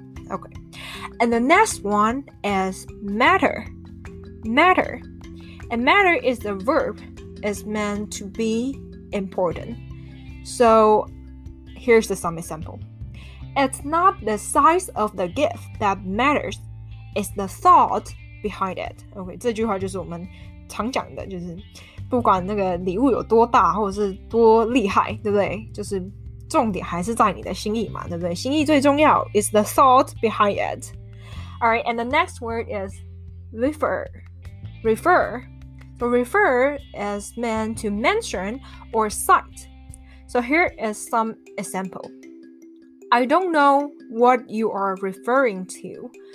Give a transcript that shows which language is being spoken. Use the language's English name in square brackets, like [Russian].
[English] Okay, and the next one is matter. And matter is the verb, is meant to be important. So,Here's some example. It's not the size of the gift that matters. It's the thought behind it. [Chinese] Okay, 这句话就是我们常讲的，就是不管那个礼物有多大或者是多厉害，对不对？就是重点还是在你的心意嘛，对不对？心意最重要。 [English] It's the thought behind it. All right, and the next word is refer. So refer is meant to mention or cite. So here is some example. I don't know what you are referring to.